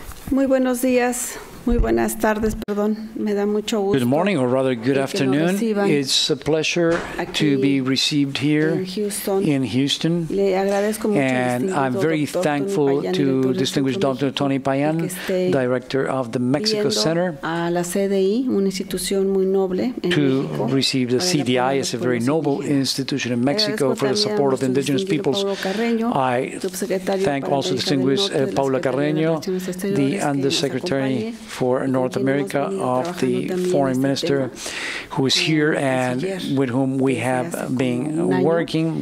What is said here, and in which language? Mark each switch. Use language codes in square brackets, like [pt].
[es] Muy buenos días, muy buenas tardes, perdón, me da mucho gusto. [en] Good morning, or rather good afternoon. It's a pleasure to be received here in Houston. [es] Le agradezco mucho, [en] and I'm very thankful to distinguished Dr. Tony Payan, director of the Mexico Center, [es] a la CDI, una institución muy noble en [en] to [es] México. [en] Receive the CDI. It's a very noble institution in Mexico for the support of the indigenous peoples. I thank also distinguished Paula Carreño, the Undersecretary for North America of the Foreign Minister, who is here and with whom we have been working.